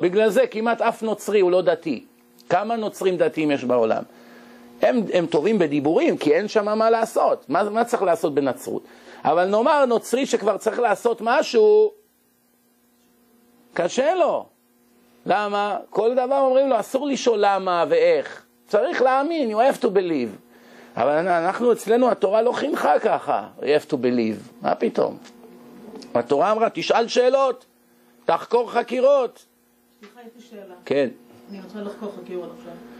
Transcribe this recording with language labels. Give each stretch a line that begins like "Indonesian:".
Hebrew: בגלל זה כמעט אף נוצרי הוא לא דתי. כמה נוצרים דתיים יש בעולם? הם טובים בדיבורים, כי אין שם מה לעשות. מה צריך לעשות בנצרות? אבל נאמר נוצרי שכבר צריך לעשות משהו, קשה לו. למה? כל דבר אומרים לו, אסור לשאול למה ואיך. צריך להאמין,
English: you have to believe.
Hebrew: אבל אנחנו, אצלנו, התורה לא חינכה ככה,
English: you have to believe.
Hebrew: מה פתאום? התורה אמרה, תשאל שאלות, תחקור חקירות. סליחה, יש לי שאלה. כן. אני רוצה לחקור חקירות עכשיו.